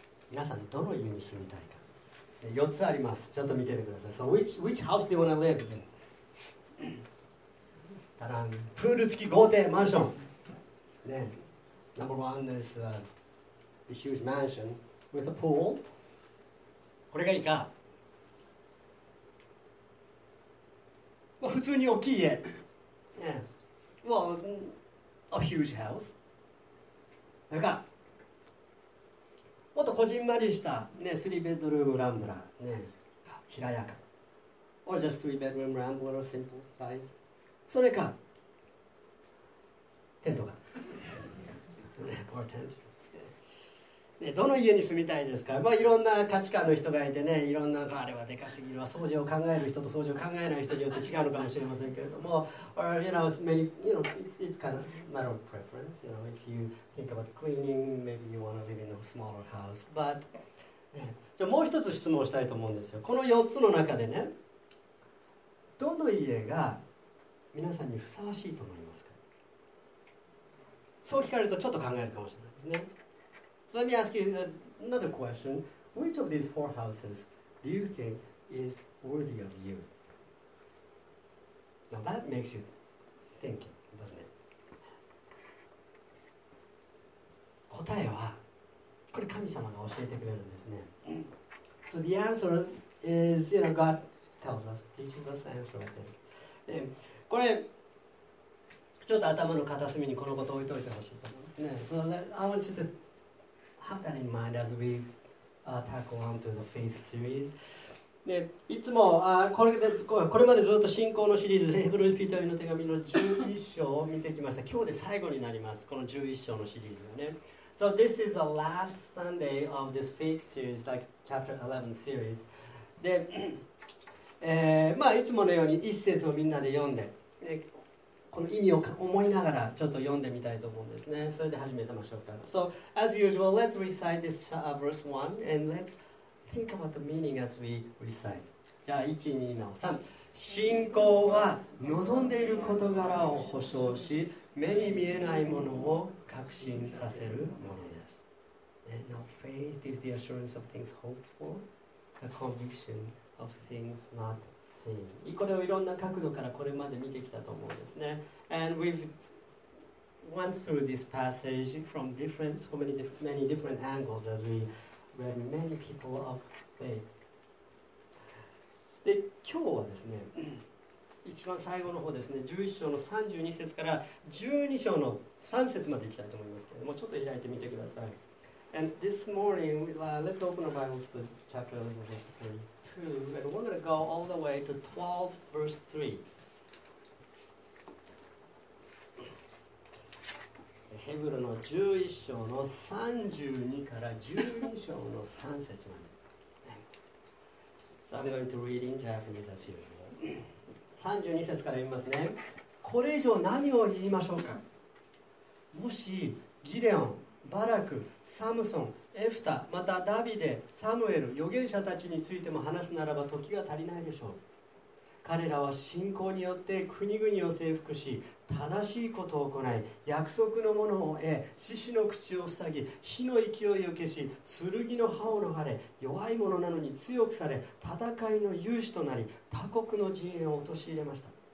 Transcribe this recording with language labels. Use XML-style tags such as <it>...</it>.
<ja>皆さんどの家に住みたいか、4つあります。ちょっと見ててください。</ja> <en>So which house do you want to live in?</en> <ja>たらん、プール付き豪邸マンション、ね、</ja> <en>Number one is a huge mansion with a pool。</en> <ja>これがいいか、普通に大きい家。</ja> <en>Yes. Well, a huge house.</en> <ja>なんかもっとこじんまりしたね、スリーベッドルームランブラーね、ひらやか。</ja> <en>Or just three bedroom rambler, simple size.</en> <ja>それかテントが。</ja> <en>Or tent.</en> <ja>ね、どの家に住みたいですか。まあ、いろんな価値観の人がいてね、いろんな、あれはでかすぎるわ、掃除を考える人と掃除を考えない人によって違うのかもしれませんけれども、</ja> <en>or you know, maybe you know, it's kind of matter of preference. You know, if you think about cleaning, maybe you want to live in a smaller house. But、ね、</en> <ja>じゃあもう一つ質問したいと思うんですよ。この4つの中でね、どの家が皆さんにふさわしいと思いますか。そう聞かれるとちょっと考えるかもしれないですね。</ja> <en>Let me ask you another question. Which of these four houses do you think is worthy of you? Now that makes you think, doesn't it?</en> <ja>答えは、これ神様が教えてくれるんですね。</ja> <en>So the answer is, you know, God tells us, teaches us the answer, I think.</en> <ja>これ、ちょっと頭の片隅にこのことを置いておいてほしいと思うんですね。</ja> <en>So I want you to have that in mind as we tackle on to the faith series.</en> <ja>で、いつも、これまでずっと信仰のシリーズ、ヘブルピトリの手紙の11章を見てきました。今日で最後になります、この11章のシリーズがね。</ja> <en>So this is the last Sunday of this faith series, like chapter 11 series.</en> <ja>で、まあ、いつものように一節をみんなで読んで、でこの意味を思いながらちょっと読んでみたいと思うんですね。それで始めてましょうか。</ja> <en>So, as usual, let's recite this verse 1 and let's think about the meaning as we recite.</en> <ja>じゃあ、1、2、の3。信仰は望んでいる事柄を保証し、目に見えないものを確信させるものです。</ja> <en>And now, faith is the assurance of things hoped for, the conviction of things not seen.</en> <ja>これをいろんな角度からこれまで見てきたと思うんですね。</ja> <en>And we've went through this passage from different, so many different, many different angles as we read many people of faith.</en> <ja>で、今日はですね、一番最後の方ですね、11章の32節から12章の3節までいきたいと思いますけれども、ちょっと開いてみてください。</ja> <en>And this morning, let's open our Bibles to chapter 11, verse 3. And we're going to go all the way to 12, verse 3.</en> <ja>ヘブルの11章の32から12章の3節まで。</ja> <en>So I'm going to read in Japanese as usual.</en> <ja>32節から読みますね。これ以上何を言いましょうか。もしギデオン、バラク、サムソン、エフタ、またダビデ、サムエル、預言者たちについても話すならば時が足りないでしょう。彼らは信仰によって国々を征服し、正しいことを行い、約束のものを得、獅子の口を塞ぎ、火の勢いを消し、剣の刃を逃れ、弱い者なのに強くされ、戦いの勇士となり、他国の陣営を陥れました。</ja>